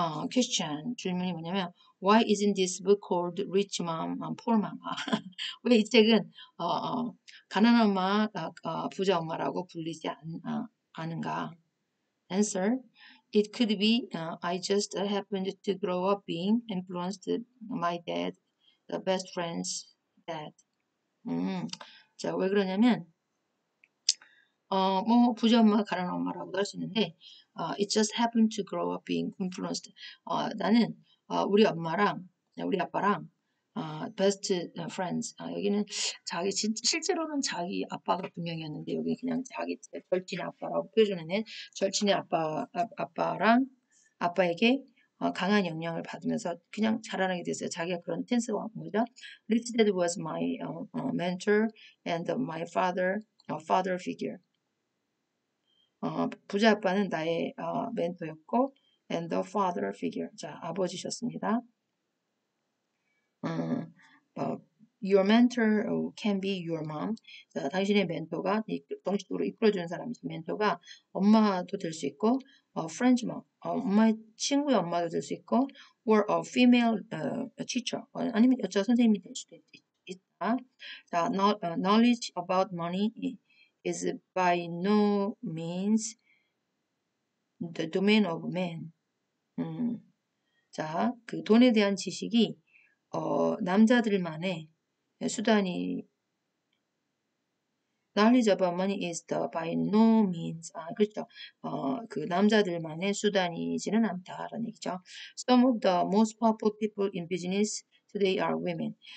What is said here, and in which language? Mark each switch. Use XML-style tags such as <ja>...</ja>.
<en>Question,</en> <ko>질문이 뭐냐면</ko> <en>Why isn't this book called Rich Mom and Poor Mom?</en> <ko>왜 이 책은 가난한 엄마, 부자 엄마라고 불리지 않은가?</ko> <en>Answer. It could be I just happened to grow up being influenced my dad, the best friend's dad.</en> <ko>자, 왜 그러냐면 뭐 부자 엄마 가난한 엄마라고도 할 수 있는데</ko> <en>it just happened to grow up being influenced.</en> <ko>나는 우리 엄마랑 우리 아빠랑</ko> <en>best friends.</en> <ko>여기는 자기 실제로는 자기 아빠가 분명이었는데 여기 그냥 자기 절친 아빠라고 표현하는 절친의 아빠랑 아빠에게 강한 영향을 받으면서 그냥 자라나게 됐어요. 자기가 그런 텐스가 뭐죠?</ko> <en>Rich Dad was my mentor and my father father figure.</en> <ko>부자 아빠는 나의 멘토였고</ko> <en>and the father figure.</en> <ko>자, 아버지셨습니다.</ko> <en>Your mentor can be your mom.</en> <ko>자, 당신의 멘토가 정식으로 이끌어주는 사람이죠. 멘토가 엄마도 될 수 있고,</ko> <en>friend's mom,</en> <ko>엄마의 친구의 엄마도 될 수 있고,</ko> <en>or a female teacher,</en> <ko>아니면 여자 선생님이 될 수도 있다.</ko> <en>자, knowledge about money is by no means the domain of man.</en> <ko>자, 그 돈에 대한 지식이 남자들만의 수단이</ko> <en>knowledge about money is the by no means</en> <ko>그렇죠. 그 남자들만의 수단이지는 않다라는 얘기죠.</ko> <en>Some of the most powerful people in business today are women.</en>